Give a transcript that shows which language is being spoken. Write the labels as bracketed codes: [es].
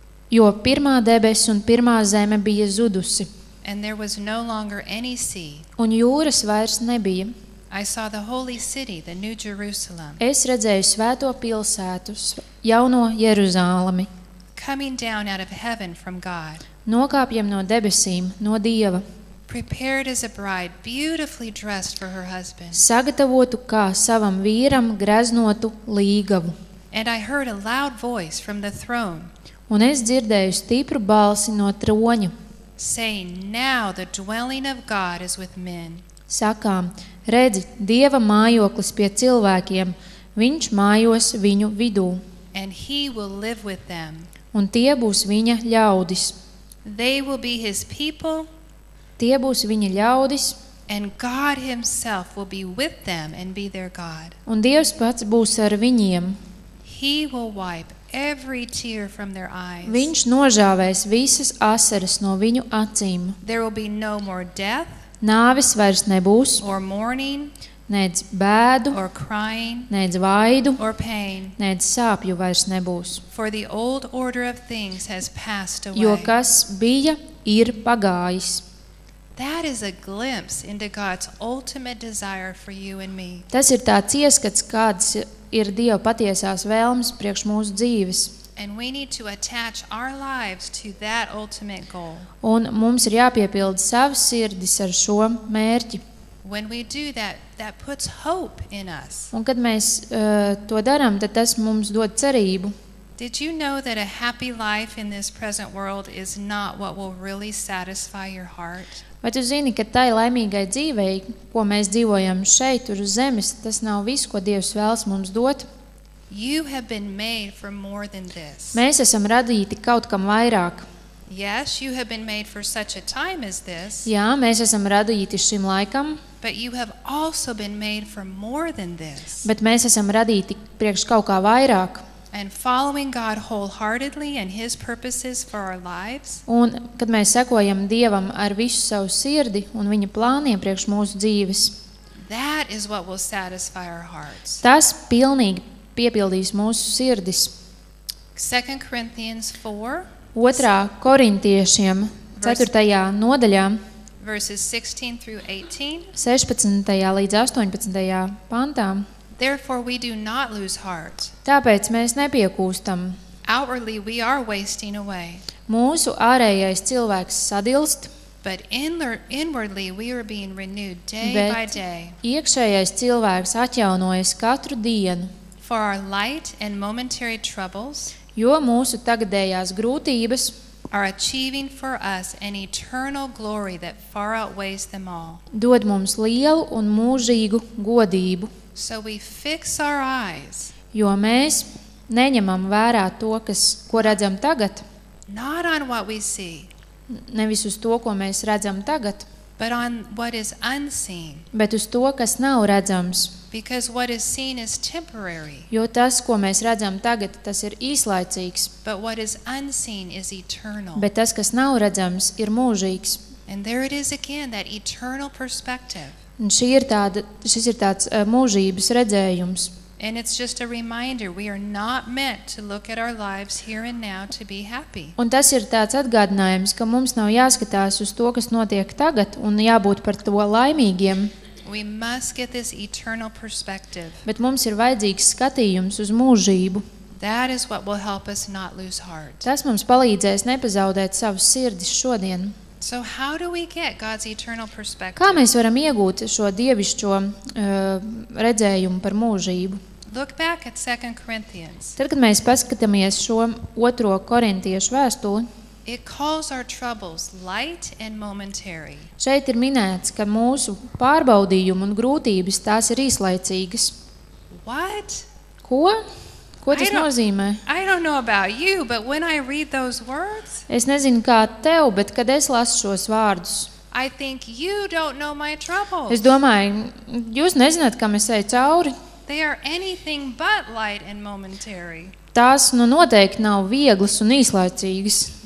[lv] Jo pirmā debesis un pirmā zeme bija zudusi. [en] And there was no longer any sea. [lv] Un jūras vairs nebija. [en] I saw the holy city, the new Jerusalem. [lv] Es redzēju svēto pilsētu, jauno Jeruzalemi. [en] Coming down out of heaven from God. [lv] Nokāpjam no debesīm, no Dieva. [en] prepared as a bride, beautifully dressed for her husband. [lv] Sagatavotu kā savam vīram greznotu līgavu. [en] And I heard a loud voice from the throne. [lv] Un es dzirdēju stipru balsi no troņa. [en] Saying, now the dwelling of God is with men. [lv] Sakām, redzi, Dieva mājoklis pie cilvēkiem, viņš mājos viņu vidū. [en] And he will live with them. [lv] Un tie būs viņa ļaudis. [en] They will be his people. [lv] Tie būs viņa ļaudis. [en] And God himself will be with them and be their God. [lv] Un Dievs pats būs ar viņiem. [en] He will wipe every tear from their eyes. [lv] Viņš nožāvēs visas asaras no viņu acīm. [en] There will be no more death. [lv] Nāvis vairs nebūs. [en] Or mourning. [lv] Nedz bēdu. [en] Or crying. [lv] Nedz vaidu. [en] Or pain. [lv] Nedz sāpju vairs nebūs. [en] For the old order of things has passed away. [lv] Jo kas bija, ir pagājis. [en] That is a glimpse into God's ultimate desire for you and me. [lv] Tas ir tāds ieskats, kāds ir Dieva patiesās vēlmes priekš mūsu dzīves. [en] And we need to attach our lives to that ultimate goal. [lv] Un mums ir jāpiepild savas sirdis ar šo mērķi. [en] When we do that, that puts hope in us. [lv] Un kad mēs to darām, tad tas mums dod cerību. [en] Did you know that a happy life in this present world is not what will really satisfy your heart? [lv] Vai tu zini, ka tai laimīgai dzīvei, ko mēs dzīvojam šeit, uz zemes, tas nav viss, ko Dievs vēlas mums dot? [en] You have been made for more than this. [lv] Mēs esam radīti kaut kam vairāk. [en] Yes, you have been made for such a time as this. [lv] Jā, mēs esam radīti šim laikam. [en] But you have also been made for more than this. [lv] Bet mēs esam radīti priekš kaut kā vairāk. [en] And following God wholeheartedly and his purposes for our lives. [lv] Un kad mēs sekojam Dievam ar visu savu sirdi un viņa plāniem priekš mūsu dzīves. [en] That is what will satisfy our hearts. [lv] Tas pilnīgi piepildīs mūsu sirdis. [en] 2 Corinthians 4. [lv] 2. Korintiešiem 4. Nodaļā. [en] Verses 16 through 18. [lv] 16. Līdz 18. Pantām. [en] Therefore we do not lose heart. [lv] Tāpēc mēs nepiekūstam. [en] Outwardly we are wasting away. [lv] Mūsu ārējais cilvēks sadilst. [en] But inwardly we are being renewed day by day. [lv] Iekšējais cilvēks atjaunojas katru dienu. [en] For our light and momentary troubles. [lv] Jo mūsu tagadējās grūtības [en] are achieving for us an eternal glory that far outweighs them all. [lv] Dod mums lielu un mūžīgu godību. [en] So we fix our eyes. [lv] Jo mēs neņemam vērā to, kas, ko redzam tagad. [en] Not on what we see. [lv] Nevis uz to, ko mēs redzam tagad. [en] But on what is unseen. [lv] Bet uz to, kas nav redzams. [en] Because what is seen is temporary. [lv] Jo tas, ko mēs redzam tagad, tas ir īslaicīgs. [en] But what is unseen is eternal. [lv] Bet tas, kas nav redzams, ir mūžīgs. [en] And there it is again, that eternal perspective. [lv] Un šī ir tāda, šis ir tāds mūžības redzējums. [en] And it's just a reminder, we are not meant to look at our lives here and now to be happy. [lv] Un tas ir tāds atgādinājums, ka mums nav jāskatās uz to, kas notiek tagad, un jābūt par to laimīgiem. [en] We must get this eternal perspective. [lv] Bet mums ir vajadzīgs skatījums uz mūžību. [en] That is what will help us not lose heart. [lv] Tas mums palīdzēs nepazaudēt savas sirdis šodien. [en] So how do we get God's eternal perspective? [lv] Kā mēs varam iegūt šo dievišķo redzējumu par mūžību? [en] Look back at 2 Corinthians. [lv] Tad, kad mēs paskatāmies šo otro korintiešu vēstuli, [en] it calls our troubles light and momentary. [lv] Šeit ir minēts, ka mūsu pārbaudījumi un grūtības tās ir īslaicīgas. [en] What? [lv] Ko? Ko tas nozīmē? [en] I don't know about you, but when I read those words, [lv] es nezinu kā tev, bet kad es lasu šos vārdus, [en] I think you don't know my troubles. [lv] Es domāju, jūs nezināt, kam es eju cauri. [en] They are anything but light and momentary. [lv] Tās nu noteikti nav vieglas un īslaicīgas.